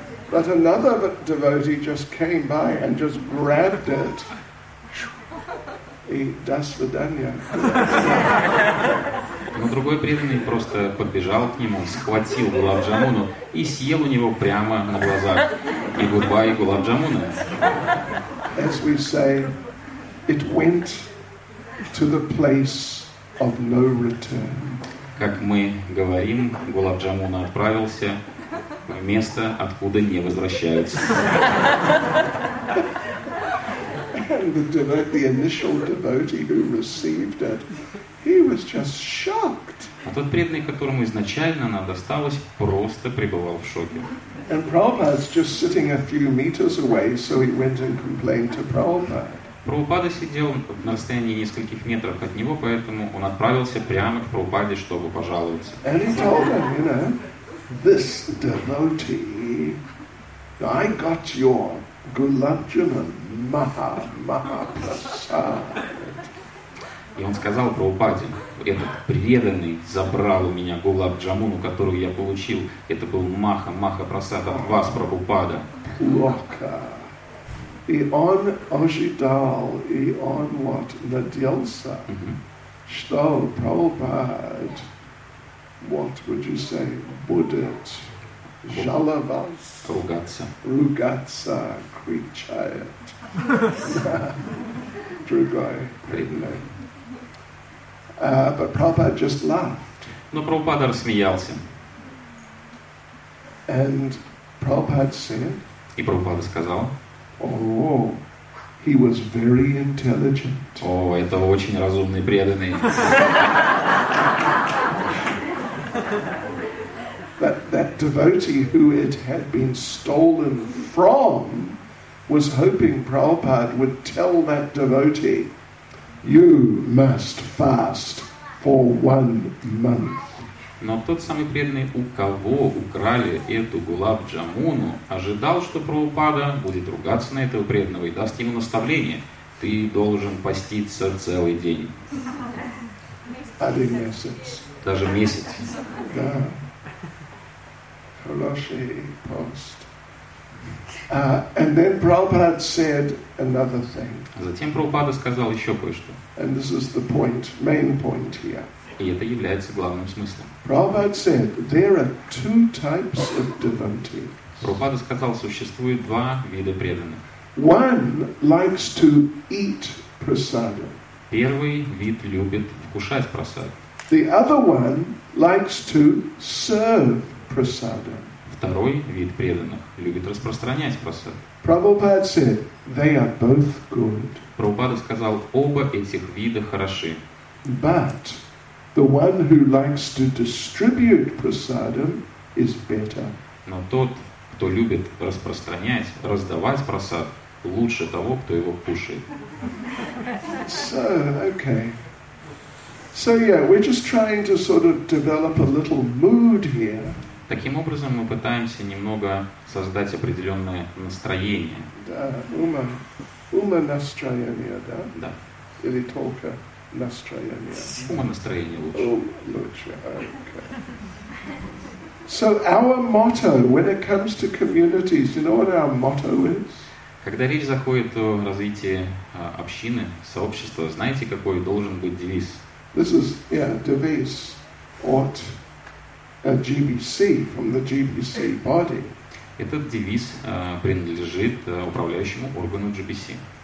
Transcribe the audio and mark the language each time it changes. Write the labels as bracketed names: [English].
[English] But another devotee just came by and just grabbed it. [Russian] И до свидания. Но другой преданный просто подбежал к нему, схватил гулаб джамуну и съел у него прямо на глазах. И гудбай гулаб джамуна. [English] As we say, it went to the place of no return. [Russian] как мы говорим, Гулаб Джамуна отправился в место, откуда не возвращаются. [English] The devotee, the initial devotee who received it, he was just shocked. [Russian] А тот преданный, которому изначально она досталась, просто пребывал в шоке. [English] And Prabhupada's just sitting a few meters away, so he went and complained to Prabhupada. [Russian] Прабхупада сидел на расстоянии нескольких метров от него, поэтому он отправился прямо к Прабхупаде, чтобы пожаловаться. [English] And he told him, you know, this devotee, I got your Gulabjaman Maha-Maha-Prasad. [Russian] И он сказал Прабхупаде, этот преданный забрал у меня Гулаб Джамуну, которую я получил. Это был Маха-Маха-Прасад от вас, Прабхупада. Плохо. И он ожидал, и он вот надеялся, что Прабхупад, [English] what would you say, [Russian] будет жаловаться, ругаться, кричать. Другой преданный. [English] But Prabhupada just laughed. [Russian] Но Прабхупада рассмеялся. [English] And Prabhupada said, [Russian] и Прабхупада сказал, [English] oh, he was very intelligent. [Russian] О, это очень разумный преданный. [English] That devotee who it had been stolen from was hoping Prabhupada would tell that devotee, you must fast for 1 month. [Russian] Но тот самый преданный, у кого украли эту Гулаб Джамуну, ожидал, что Прабхупада будет ругаться на этого преданного и даст ему наставление. Ты должен поститься целый день. Один месяц. Даже месяц. Да. Хороший пост. [English] And then Prabhupada said another thing. [Russian] Затем Прабхупада сказал еще кое-что. [English] And this is the point, main point here. [Russian] И это является главным смыслом. [English] Prabhupada said, there are two types of devotees. [Russian] Прабхупада сказал, существует два вида преданных. [English] One likes to eat prasadam. [Russian] Первый вид любит вкушать прасад. [English] The other one likes to serve prasadam. [Russian] Второй вид преданных любит распространять прасад. [English] Prabhupada said, they are both good. [Russian] Прабхупада сказал, оба этих вида хороши. [English] But the one who likes to distribute prasadam is better. [Russian] Но тот, кто любит распространять, раздавать прасад, лучше того, кто его кушает. [English] So, okay. So, yeah, we're just trying to sort of develop a little mood here. [Russian] Таким образом, мы пытаемся немного создать определенное настроение. Да, ума. Ума настроение, да? Да. Или только настроение. Ума настроение лучше. Ума лучше, окей. [English] So our motto, when it comes to communities, you know what our motto is? [Russian] Когда речь заходит о развитии общины, сообщества, знаете, какой должен быть девиз? [English] This is, yeah, devise от GBC, from the GBC body. [Russian] Этот девиз принадлежит управляющему органу GBC.